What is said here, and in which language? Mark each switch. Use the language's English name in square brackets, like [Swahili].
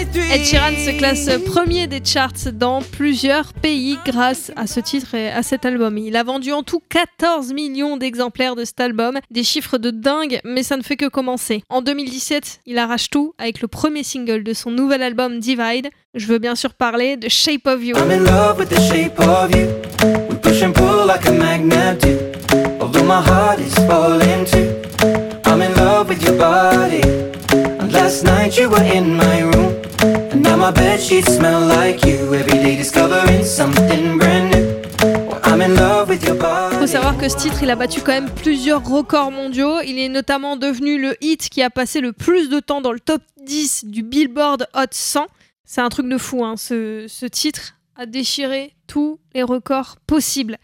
[French] Ed Sheeran se classe premier des charts dans plusieurs pays grâce à ce titre et à cet album. Il a vendu en tout 14 millions d'exemplaires de cet album. Des chiffres de dingue, mais ça ne fait que commencer. En 2017, il arrache tout avec le premier single de son nouvel album Divide. Je veux bien sûr parler de Shape of You. [English] I'm in love with the shape of you. We push and pull like a magnet do. Although my heart is falling too. I'm in love with your body. And last night you were in my room. And now my bedsheets smell like you. Every day discovering something brand new. [French] Il faut savoir que ce titre, il a battu quand même plusieurs records mondiaux. Il est notamment devenu le hit qui a passé le plus de temps dans le top 10 du Billboard Hot 100. C'est un truc de fou, hein. Ce titre a déchiré tous les records possibles.